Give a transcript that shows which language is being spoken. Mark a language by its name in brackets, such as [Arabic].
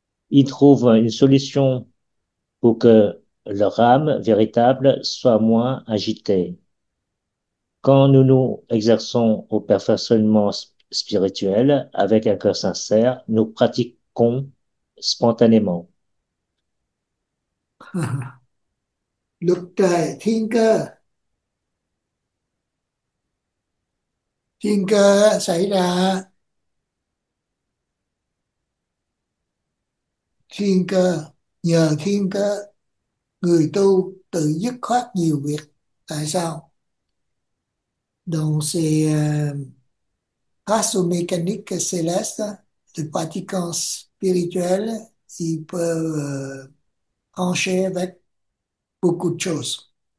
[French] Ils trouvent une solution pour que leur âme véritable soit moins agitée. Quand nous nous exerçons au perfectionnement spirituel avec un cœur sincère, nous pratiquons spontanément. [Vietnamese] Luật trời thiên cơ, thiên cơ xảy ra, thiên cơ, nhờ thiên cơ người tu tự dứt khoát nhiều việc. Tại sao? [French] Donc c'est grâce aux mécaniques célestes, les pratiquants spirituels, ils peuvent trancher avec beaucoup de choses.